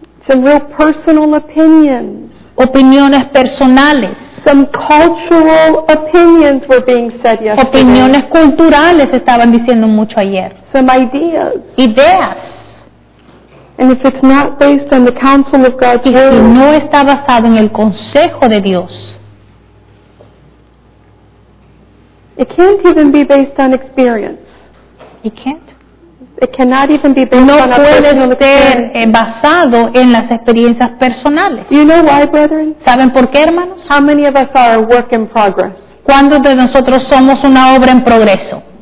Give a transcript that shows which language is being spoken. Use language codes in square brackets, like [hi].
[en] Some real personal opinions. [es] Opiniones personales. [en] Some cultural opinions were being said yesterday. [es] Opiniones culturales estaban diciendo mucho ayer. [en] Some ideas. [es] Ideas. [en] And if it's not based on the counsel of God's word. [es] Y si no está basado en el consejo de Dios. [en] It can't even be based on experience. It can't. It cannot even be based [es] no [en] on a personal experience. [es] Basado en las experiencias personales. [en] You know why, brethren? [es] ¿Saben por qué, hermanos? [en] How many of us are a work in progress? [es] ¿Cuántos de nosotros somos una obra en progreso?